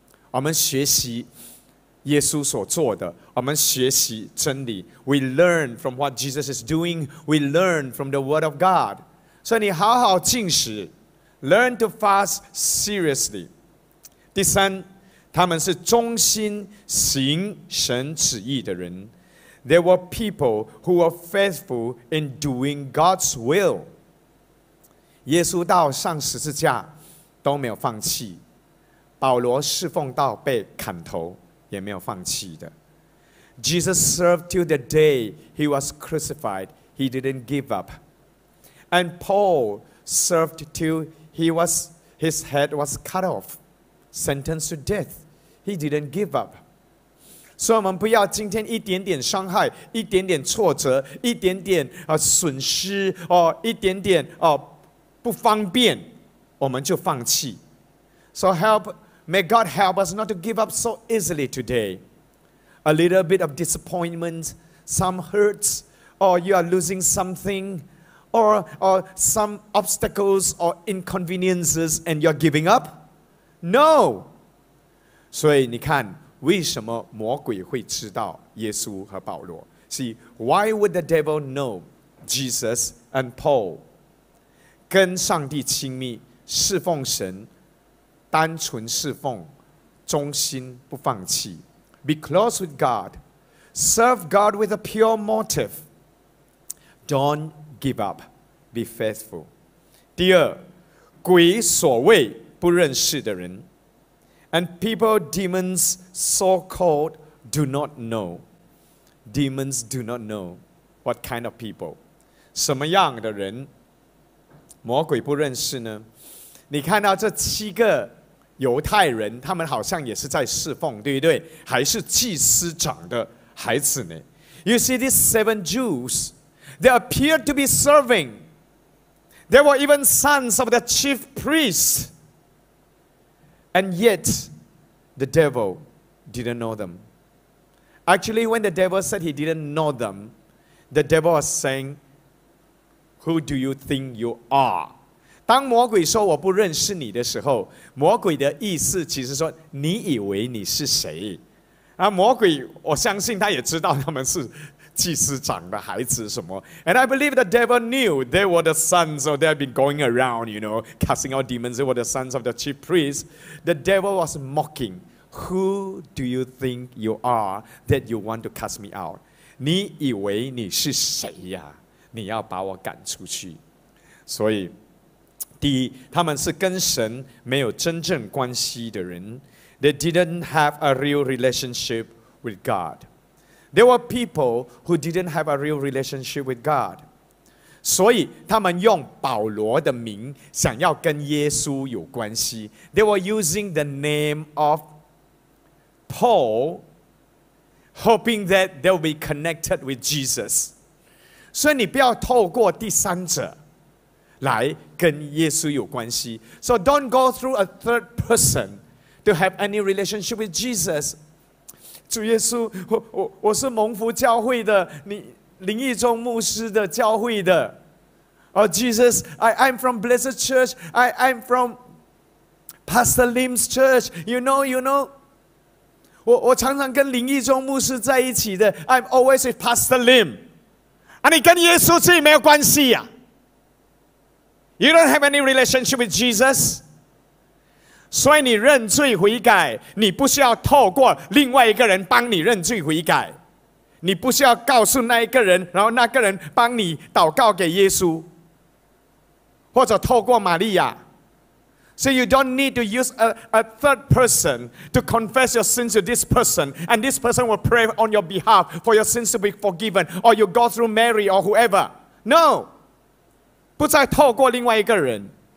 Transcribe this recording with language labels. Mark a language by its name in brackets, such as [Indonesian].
[Chinese] 我们学习耶稣所做的，我们学习真理。 [English] We learn from what Jesus is doing. We learn from the Word of God. [Chinese] 所以你好好禁食， [English] learn to fast seriously. [Chinese] 第三，他们是忠心行神旨意的人。 [English] There were people who were faithful in doing God's will. [Chinese] 耶稣到上十字架都没有放弃，保罗侍奉到被砍头也没有放弃的。 [English] Jesus served till the day he was crucified. He didn't give up. And Paul served till his head was cut off, sentenced to death. He didn't give up. [Chinese] 所以我们不要今天一点点伤害，一点点挫折，一点点损失，一点点不方便，我们就放弃。 [English] So help, may God help us not to give up so easily today. A little bit of disappointment, some hurts, or you are losing something, or some obstacles or inconveniences and you're giving up? No! [Chinese] 所以你看，为什么魔鬼会知道耶稣和保罗？ [English] See, why would the devil know Jesus and Paul? [Chinese] 跟上帝亲密，侍奉神，单纯侍奉，忠心不放弃。 [English] Be close with God. Serve God with a pure motive. Don't give up. Be faithful. [Chinese] 第二，鬼所谓不认识的人。 [English] And people, demons, so-called, do not know. Demons do not know what kind of people. [Chinese] 什么样的人魔鬼不认识呢？你看到这七个犹太人，他们好像也是在侍奉，对不对？还是祭司长的孩子呢？ [English] You see these seven Jews, they appear to be serving. They were even sons of the chief priests. And yet, the devil didn't know them. Actually, when the devil said he didn't know them, the devil was saying, Who do you think you are? [Chinese] 当魔鬼说我不认识你的时候，魔鬼的意思其实说你以为你是谁？啊，魔鬼，我相信他也知道他们是祭司长的孩子什么。 [English] And I believe the devil knew they were the sons, so they had been going around, you know, casting out demons. They were the sons of the chief priests. The devil was mocking. Who do you think you are that you want to cast me out? [Chinese] 你以为你是谁呀？你要把我赶出去。所以，第一，他们是跟神没有真正关系的人。 [English] They didn't have a real relationship with God. There were people who didn't have a real relationship with God. [Chinese] 所以他们用保罗的名想要跟耶稣有关系。 [English] They were using the name of Paul, hoping that they'll be connected with Jesus. [Chinese] 所以你不要透过第三者来跟耶稣有关系。 [English] So don't go through a third person. To have any relationship with Jesus. [Chinese] 主耶稣 我是蒙福教会的你林义中牧师的教会的 [English] Oh Jesus, I'm from Blessed Church. I'm from Pastor Lim's church. You know. [Chinese] 我常常跟林义中牧师在一起的 [English] I'm always with Pastor Lim. [Chinese] 啊你跟耶稣自己没有关系啊 [English] You don't have any relationship with Jesus. [Chinese] 所以你认罪悔改，你不需要透过另外一个人帮你认罪悔改，你不需要告诉那一个人，然后那个人帮你祷告给耶稣，或者透过玛利亚。 [English] So you don't need to use a third person to confess your sins to this person, and this person will pray on your behalf for your sins to be forgiven, or you go through Mary or whoever. No, [Chinese] 不再透过另外一个人。